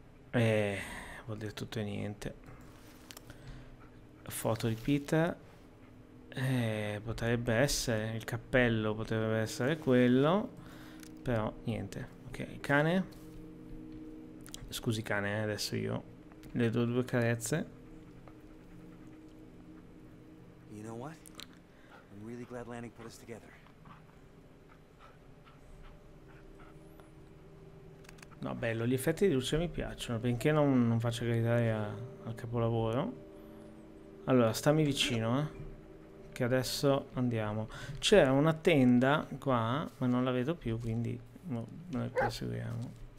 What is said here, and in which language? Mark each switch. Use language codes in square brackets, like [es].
[it] Vuol dire tutto e niente. Foto di Peter. Potrebbe essere il cappello, potrebbe essere quello. Però niente. Ok, cane. Scusi cane, adesso io le do due carezze. [en] You know what? I'm really glad Lanning put us together. [it] No, bello, gli effetti di luce mi piacciono, benché non faccia gridare al capolavoro. Allora, stammi vicino, che adesso andiamo. C'è una tenda qua, ma non la vedo più, quindi noi proseguiamo.